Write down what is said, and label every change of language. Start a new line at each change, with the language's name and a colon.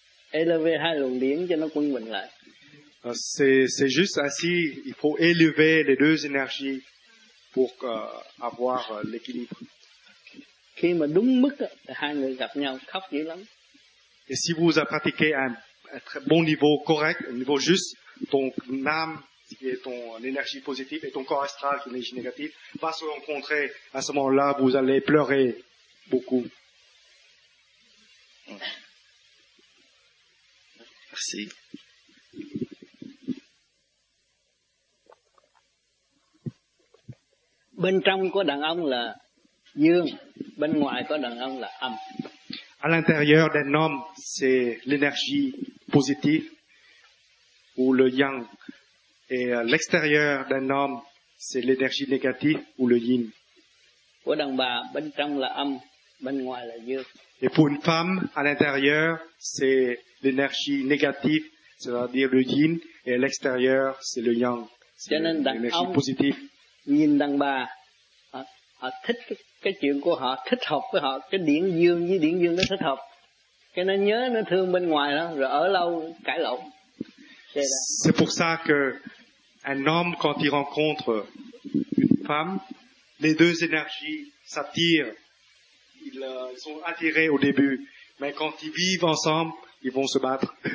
French: Élever
Vietnamese: hai luồng điển cho nó quân bình lại.
French: C'est juste ainsi. Il faut élever les deux énergies pour avoir l'équilibre.
Vietnamese: Khi mà đúng mức thì hai người gặp nhau khóc dữ lắm.
French: Et si vous avez pratiqué un très bon niveau correct, un niveau juste, ton âme qui est ton énergie positive et ton corps astral qui est l'énergie négative va se rencontrer. À ce moment-là, vous allez pleurer beaucoup. Merci.
Vietnamese: Bên trong của đàn ông là dương. Bên ngoài có đàn ông là âm.
French: À l'intérieur d'un homme, c'est l'énergie positive ou le yang. Et à l'extérieur d'un homme, c'est l'énergie négative ou le yin. Pour
Vietnamese: đàn bà, bên trong là âm, bên ngoài là dương.
French: Et pour une femme, à l'intérieur, c'est l'énergie négative, c'est-à-dire le yin, et à l'extérieur, c'est le yang. C'est l'énergie positive.
Vietnamese: Nhìn đàn bà, họ thích cái chuyện của họ, thích hợp với họ, cái điển dương với điển dương nó thích hợp. Cái nó nhớ, nó thương bên ngoài đó, rồi ở lâu cãi lộn.
French: C'est pour ça que un homme quand il rencontre une femme, les deux énergies s'attirent. Ils sont attirés au début, mais quand ils vivent ensemble, ils vont se battre.